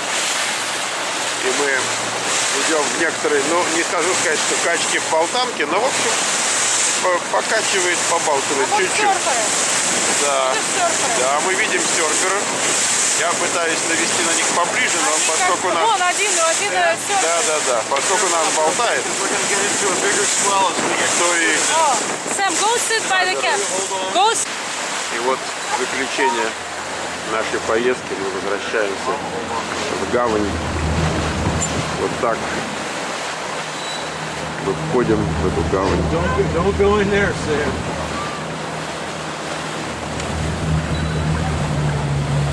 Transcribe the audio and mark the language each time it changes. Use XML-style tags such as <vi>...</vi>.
<ru>И мы идем в некоторые. Ну, не скажу сказать, что качки в полтанке, но в общем. Покачивает, побалтывает чуть-чуть. Да. Да, мы видим серфера. Я пытаюсь навести на них поближе, но они поскольку нас. Вон один серфер. Да, да, да. Поскольку нас болтает.</ru> <en>Сэм, go sit by the cat. Go sit.</en> <ru>И вот заключение нашей поездки. Мы возвращаемся в гавань. Вот так. Мы входим в эту гавань.</ru> <en>Don't go in there, Sam.</en>